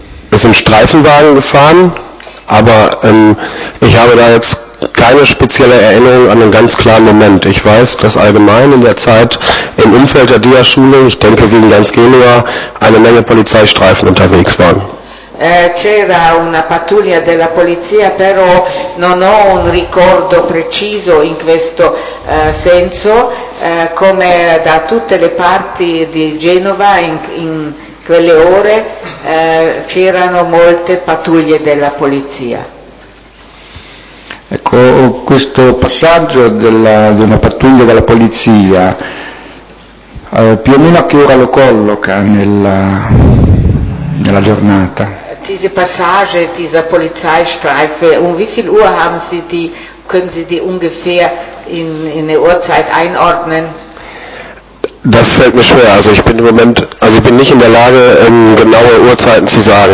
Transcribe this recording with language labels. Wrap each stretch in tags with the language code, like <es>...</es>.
<de>Es sind Streifenwagen gefahren, aber ich habe da jetzt keine spezielle Erinnerung an einen ganz klaren Moment. Ich weiß, dass allgemein in der Zeit im Umfeld der Diaschule, ich denke wegen ganz Genua, eine Menge Polizeistreifen unterwegs waren.</de> <it>C'era una pattuglia della polizia, però non ho un ricordo preciso in questo senso, come da tutte le parti di Genova in quelle ore c'erano molte pattuglie della polizia. Ecco, questo passaggio di una pattuglia della polizia, più o meno a che ora lo colloca nella giornata?</it> <de>diese Passage dieser Polizeistreife, um wie viel Uhr haben Sie die, können Sie die ungefähr in eine Uhrzeit einordnen? Das fällt mir schwer. Also ich bin im Moment, also ich bin nicht in der Lage, genaue Uhrzeiten zu sagen.</de>